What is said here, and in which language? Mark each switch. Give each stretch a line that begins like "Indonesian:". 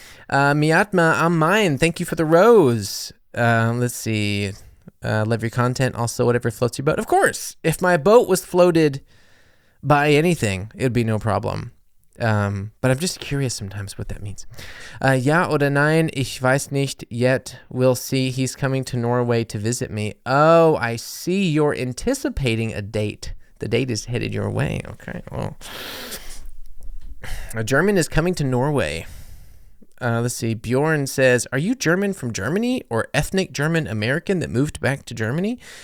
English: Miatma, I'm mine. Thank you for the rose. Let's see. Love your content. Also, whatever floats your boat. Of course, if my boat was floated by anything, it'd be no problem. But I'm just curious sometimes what that means.
German: Ja oder nein, ich weiß nicht
English: yet. We'll see. He's coming to Norway to visit me. Oh, I see. You're anticipating a date. The date is headed your way. Okay. Well, a German is coming to Norway. Let's see. Bjorn says, are you German from Germany or ethnic German American that moved back to Germany?